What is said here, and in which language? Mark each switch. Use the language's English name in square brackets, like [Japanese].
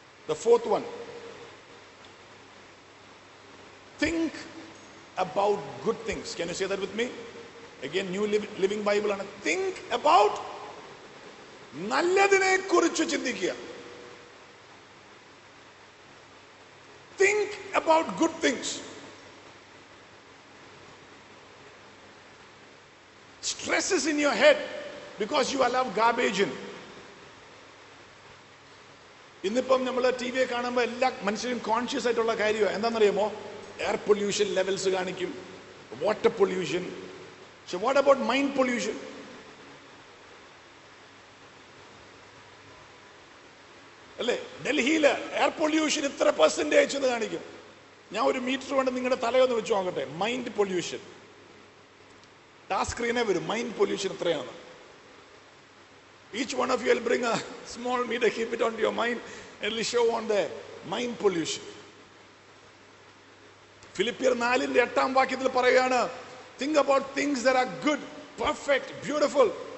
[English] The fourth one. Think about good things. Can you say that with me? Again, New Living Bible. Think about [Malayalam] നല്ലതിനെ കുറിച്ച് ചിന്തിക്കുക. [English] Think about good things. Stress is in your head because you allow garbage in. [Malayalam] ഇന്നിപ്പം നമ്മൾ T വിയെ കാണുമ്പോൾ എല്ലാ മനുഷ്യരും conscious ആയിട്ടുള്ള കാര്യമാണ്. എന്താണെന്നറിയാമോ? [English] Air pollution levels കാണിക്കും, water pollution. So what about mind pollution? [Malayalam] അല്ലേ, ഡൽഹിയിൽ എയർ പൊല്യൂഷൻ ഇത്ര പെർസെൻറ്റേജ് എന്ന് കാണിക്കും. ഞാൻ ഒരു മീറ്റർ കൊണ്ട് നിങ്ങളുടെ തലയൊന്ന് വെച്ച് നോക്കട്ടെ. മൈൻഡ് പൊല്യൂഷൻ ടാസ്ക് സ്ക്രീനേ വരും, മൈൻഡ് പൊല്യൂഷൻ എത്രയാണ്. [English] Each one of you will bring a small meter, keep it on your mind, and it'll show on the mind pollution. Philippians 4:8 parayana, think about things that are good, perfect, beautiful.